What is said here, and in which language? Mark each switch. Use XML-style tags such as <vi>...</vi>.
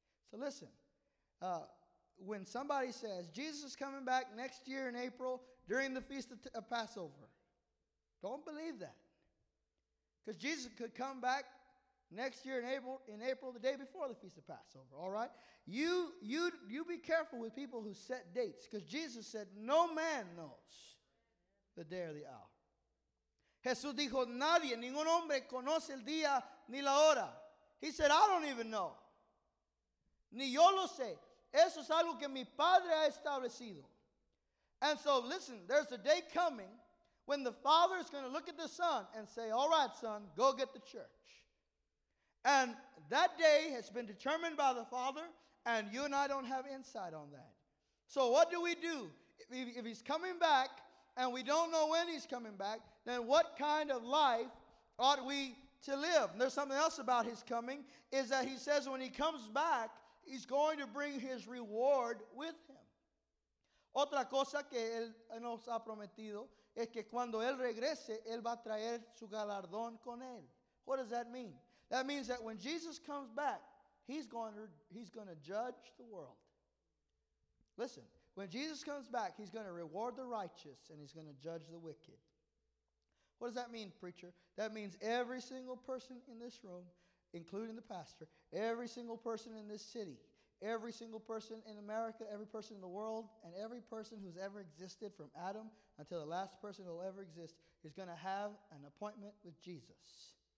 <en>So listen, when somebody says, Jesus is coming back next year in April during the Feast of Passover, don't believe that. Because Jesus could come back next year in April, the day before the Feast of Passover, all right? You be careful with people who set dates, because Jesus said, no man knows the day or the hour.</en> <es>Jesús dijo, nadie, ningún hombre conoce el día ni la hora.</es> <en>He said, I don't even know.</en> <es>Ni yo lo sé. Eso es algo que mi Padre ha establecido.</es> <en>And so, listen, there's a day coming when the Father is going to look at the Son and say, all right, Son, go get the church. And that day has been determined by the Father, and you and I don't have insight on that. So what do we do? If he's coming back, and we don't know when he's coming back, then what kind of life ought we to live? And there's something else about his coming, is that he says when he comes back, he's going to bring his reward with him.</en> <es>Otra cosa que él nos ha prometido es que cuando él regrese, él va a traer su galardón con él.</es> <en>What does that mean? That means that when Jesus comes back, he's going to judge the world. Listen, when Jesus comes back, he's going to reward the righteous and he's going to judge the wicked. What does that mean, preacher? That means every single person in this room, including the pastor, every single person in this city, every single person in America, every person in the world, and every person who's ever existed from Adam until the last person who'll ever exist is going to have an appointment with Jesus.</en>